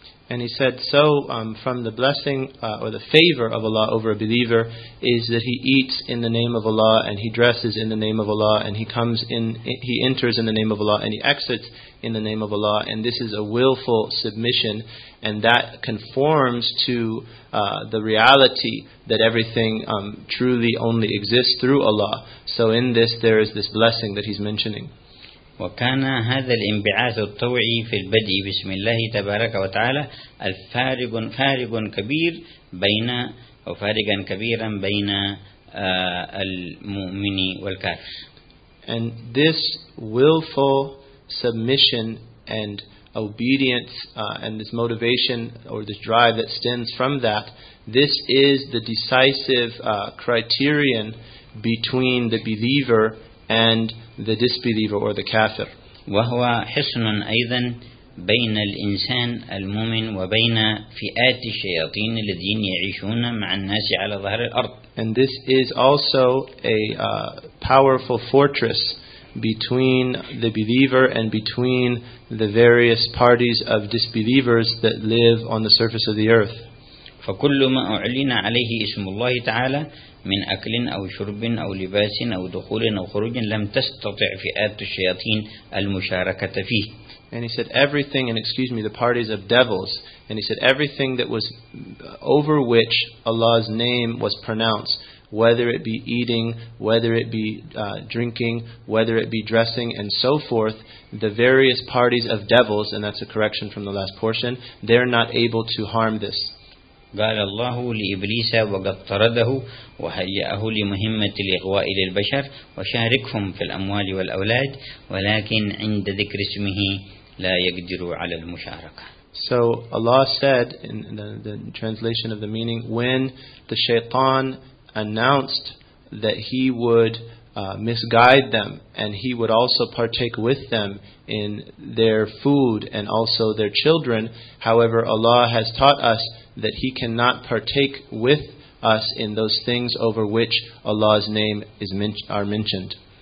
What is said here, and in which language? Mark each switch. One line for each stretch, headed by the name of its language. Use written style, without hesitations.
English: And he said, so from the blessing or the favor of Allah over a believer is that he eats in the name of Allah and he dresses in the name of Allah and he enters in the name of Allah and he exits in the name of Allah. And this is a willful submission and that conforms to the reality that everything truly only exists through Allah. So in this, there is this blessing that he's mentioning.
Arabic: وكان هذا الانبعاث الطوعي في البدء بسم الله تبارك وتعالى الفارق كبير بين وفارقا كبيرا بين المؤمن والكافر.
English: And this willful submission and obedience and this motivation or this drive that stems from that, this is the decisive criterion between the believer and the disbeliever or the kafir.
Arabic: وهو حصن أيضا بين الإنسان المؤمن وبين فئات الشياطين الذين يعيشون مع الناس على ظهر الأرض.
English: And this is also a powerful fortress between the believer and between the various parties of disbelievers that live on the surface of the earth.
Arabic: فكل ما أعلن عليه اسم الله تعالى من أكل أو شرب أو لباس أو دخول أو خروج لم تستطع فئات الشياطين المشاركة فيه.
English: And he said everything, and excuse me, the parties of devils. And he said everything that was over which Allah's name was pronounced, whether it be eating, whether it be drinking, whether it be dressing, and so forth, the various parties of devils, and that's a correction from the last portion, they're not able to harm this.
Arabic: قال الله لإبليس وقد طرده وهيأه لمهمة الإغواء للبشر وشاركهم في الأموال والأولاد ولكن عند ذكر اسمه لا يقدر على المشاركة.
English: So Allah said in the translation of the meaning, when the shaitan announced that he would misguide them and he would also partake with them in their food and also their children, however, Allah has taught us that he cannot partake with us in those things over which Allah's name is mentioned.